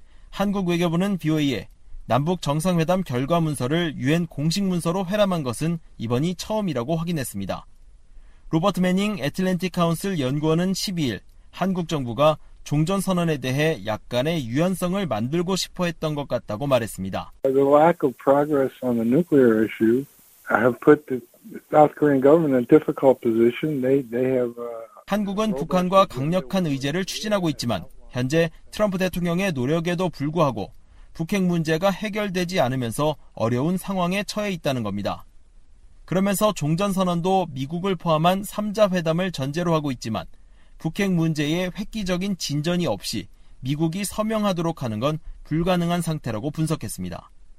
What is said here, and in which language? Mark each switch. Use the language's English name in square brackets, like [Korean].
[Korean] 한국 외교부는 BOA에 남북 정상회담 결과 문서를 유엔 공식 문서로 회람한 것은 이번이 처음이라고 확인했습니다. 로버트 매닝 애틀랜틱 카운슬 연구원은 12일 한국 정부가 종전선언에 대해 약간의 유연성을 만들고 싶어 했던 것 같다고 말했습니다. [English] The lack of progress on the nuclear issue have put the South Korean government in a difficult position. They have [Korean] 한국은 북한과 강력한 의제를 추진하고 있지만 현재 트럼프 대통령의 노력에도 불구하고 북핵 문제가 해결되지 않으면서 어려운 상황에 처해 있다는 겁니다. 그러면서 종전선언도 미국을 포함한 3자 회담을 전제로 하고 있지만 북핵 문제에 획기적인 진전이 없이 미국이 서명하도록 하는 건 불가능한 상태라고 분석했습니다.